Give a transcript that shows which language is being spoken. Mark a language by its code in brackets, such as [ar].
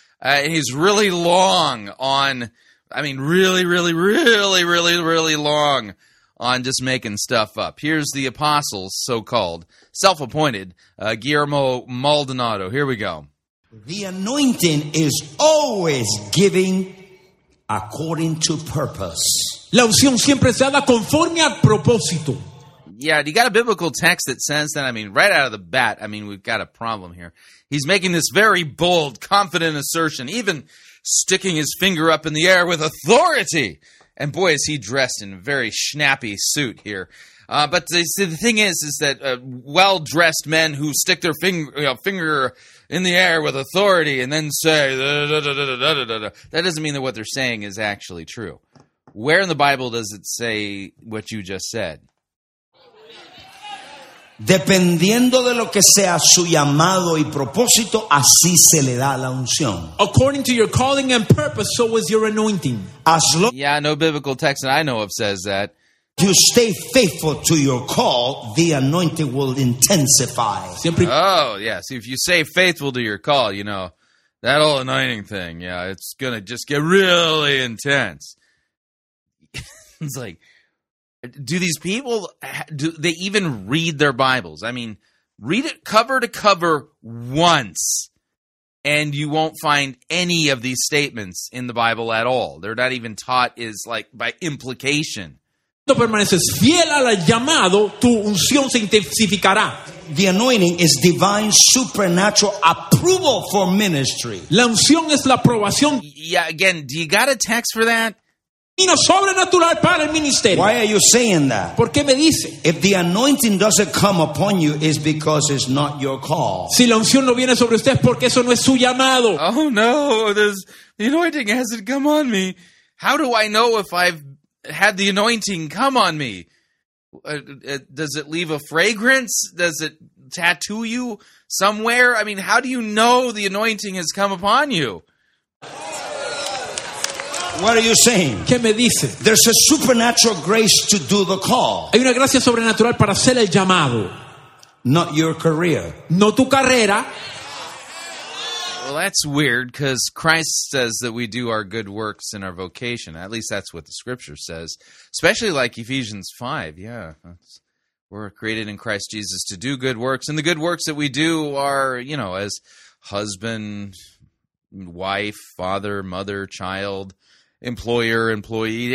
[en] And he's really long on, I mean, really, really, really, really, really long on just making stuff up. Here's the apostle, so-called, self-appointed, Guillermo Maldonado. Here we go. The anointing is always giving according to purpose. [es] La unción siempre se da conforme al propósito. [en] Yeah, you got a biblical text that says that. I mean, right out of the bat, I mean, we've got a problem here. He's making this very bold, confident assertion, even sticking his finger up in the air with authority. And boy, is he dressed in a very snappy suit here. But the thing is that well-dressed men who stick their finger in the air with authority and then say, that doesn't mean that what they're saying is actually true. Where in the Bible does it say what you just said? [es] Dependiendo de lo que sea su llamado y propósito, así se le da la unción. [en] According to your calling and purpose, so is your anointing. Yeah, no biblical text that I know of says that. You stay faithful to your call, the anointing will intensify. Oh, yes. If you stay faithful to your call, you know, that old anointing thing, yeah, it's going to just get really intense. It's like, do these people, do they even read their Bibles? I mean, read it cover to cover once, and you won't find any of these statements in the Bible at all. They're not even taught is like by implication. [es] Tú permaneces fiel al llamado, tu unción se intensificará. [en] The anointing is divine supernatural approval for ministry. [es] La unción es la aprobación. [en] Yeah, again, do you got a text for that? [es] Sobrenatural para el ministerio. [en] Why are you saying that? [es] ¿Por qué me dice? [en] If the anointing doesn't come upon you, it's because it's not your call. [es] Si la unción no viene sobre usted, porque eso no es su llamado. [en] Oh no, the anointing hasn't come on me. How do I know if I've had the anointing come on me? Does it leave a fragrance? Does it tattoo you somewhere? I mean, how do you know the anointing has come upon you? What are you saying? [es] ¿Qué me dice? [en] There's a supernatural grace to do the call. [es] Hay una gracia sobrenatural para hacer el llamado. [en] Not your career. [es] No tu carrera. [en] Well, that's weird, because Christ says that we do our good works in our vocation. At least that's what the scripture says. Especially like Ephesians 5. Yeah, that's, we're created in Christ Jesus to do good works. And the good works that we do are, you know, as husband, wife, father, mother, child, employer, employee.